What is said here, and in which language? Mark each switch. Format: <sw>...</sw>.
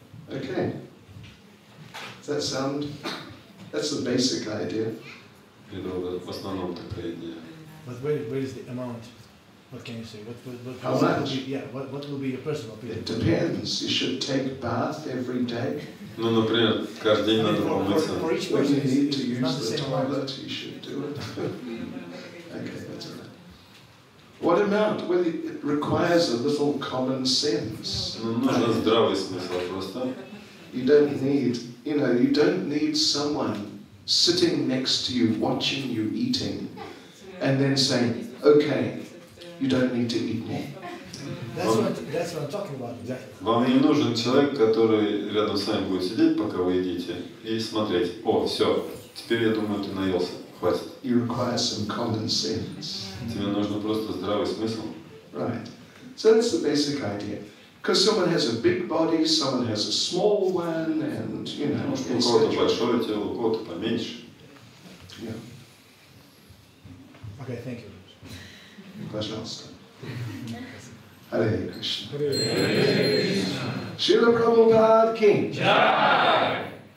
<en>Okay. Does that sound? That's the basic idea.</en> <ru>Это в основном такая идея.</ru> <en>But where is the amount? What can you say? What how much? What will be your personal opinion? It depends. You should take a bath every day.</en> <ru>Ну, например, каждый день надо помыться.</ru> <en>For each person, you need to use the toilet. You should do it. Okay, that's enough. What amount? Well, it requires a little common sense.</en> <ru>Нужно здравый смысл просто.</ru> <en>You don't need, you don't need someone sitting next to you, watching you eating, and then saying, okay, you don't need to eat more. That's what I'm talking about, exactly.</en> <ru>Вам не нужен человек, который рядом с вами будет сидеть, пока вы едите, и смотреть, о, все, теперь, я думаю, ты наелся.</ru> <en>You require some common sense.</en> <ru>Тебе нужно просто здравый смысл.</ru> <en>Right. So that's the basic idea. Because someone has a big body, someone has a small one, and</en> <ru>У кого-то большое тело, у кого-то поменьше.</ru> <en>Yeah. Okay, thank you.</en> <ru>Пожалуйста. Hare</ru> <hi>Krishna. Shri Prabhupada ki jai.</hi>